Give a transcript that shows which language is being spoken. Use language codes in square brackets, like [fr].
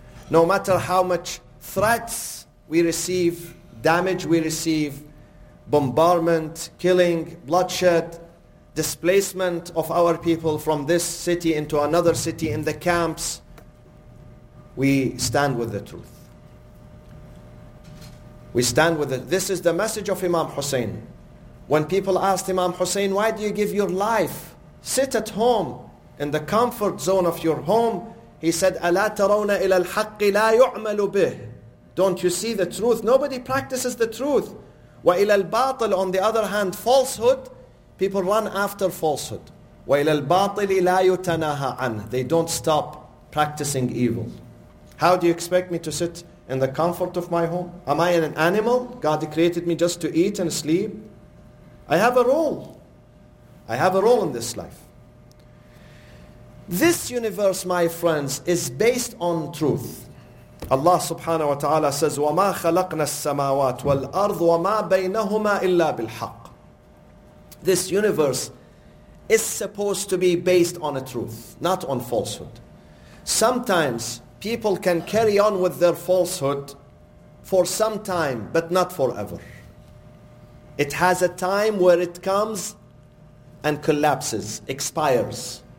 [en] No matter how much threats we receive, damage we receive, bombardment, killing, bloodshed, displacement of our people from this city into another city, in the camps. we stand with the truth. We stand with it. This is the message of Imam Hussein. When people asked Imam Hussein, why do you give your life? Sit at home in the comfort zone of your home. He said, [ar] أَلَا تَرَوْنَ إِلَى الْحَقِّ لَا يُعْمَلُ بِهِ. [en] Don't you see the truth? Nobody practices the truth. [ar] وَإِلَى الْبَاطِلِ, [en] on the other hand, falsehood, people run after falsehood. [ar] وَإِلَى الْبَاطِلِ لَا يُتَنَاهَا عَنْهِ. [en] They don't stop practicing evil. How do you expect me to sit in the comfort of my home? Am I an animal? God created me just to eat and sleep. I have a role. I have a role in this life. This universe, my friends, is based on truth. Allah subhanahu wa ta'ala says, [ar] وَمَا خَلَقْنَا السَّمَاوَاتِ وَالْأَرْضِ وَمَا بَيْنَهُمَا إِلَّا بِالْحَقِّ. [en] This universe is supposed to be based on a truth, not on falsehood. Sometimes people can carry on with their falsehood for some time, but not forever. It has a time where it comes and collapses, expires.